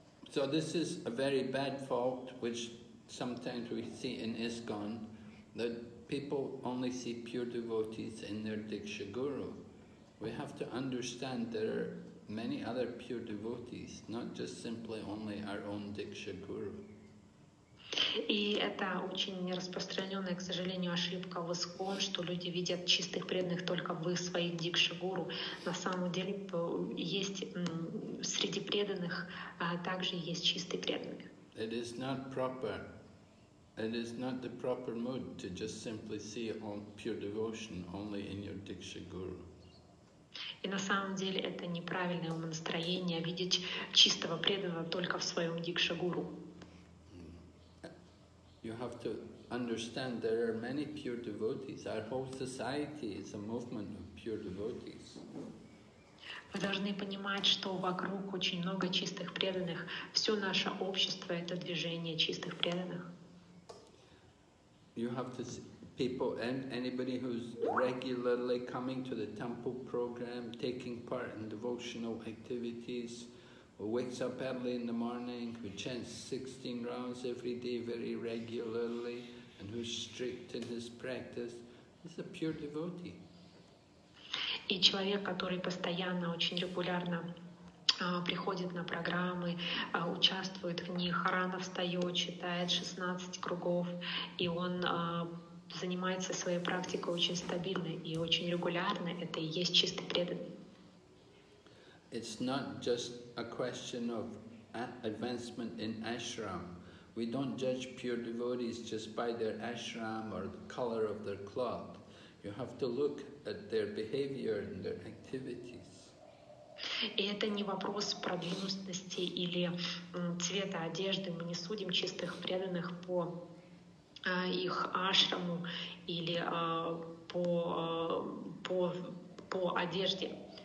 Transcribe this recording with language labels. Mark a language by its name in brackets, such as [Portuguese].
[English] So this is a very bad fault, which sometimes we see in ISKCON, that people only see pure devotees in their Diksha Guru. We have to understand there are many other pure devotees, not just simply only our own Diksha Guru. [Russian] И это очень распространенная, к сожалению, ошибка в ИСКОН, что люди видят чистых преданных только в их своих дикшагуру. На самом деле есть среди преданных также есть чистые преданные. [English] It is not proper. It is not the proper mood to just simply see all pure devotion only in your dikshaguru. [Russian] И на самом деле это неправильное умонастроение видеть чистого преданного только в своем дикшагуру. [English] You have to understand there are many pure devotees. Our whole society is a movement of pure devotees. [Russian] Вы должны понимать, что вокруг очень много чистых преданных. Все наше общество — это движение чистых преданных. [English] You have to see people and anybody who's regularly coming to the temple program, taking part in devotional activities, who wakes up early in the morning, who chants 16 rounds every day very regularly, and who's strict in his practice, is a pure devotee. [Russian] И человек, который постоянно, очень регулярно приходит на программы, участвует в них, рано встает, читает 16 кругов, и он занимается своей практикой очень стабильно и очень регулярно, это и есть чистый преданный. [English] It's not just a question of advancement in ashram. We don't judge pure devotees just by their ashram or the color of their cloth. You have to look at their behavior and their activities. [Russian] И это не вопрос продвинутости или цвета одежды. Мы не судим чистых преданных по их ашраму или по одежде.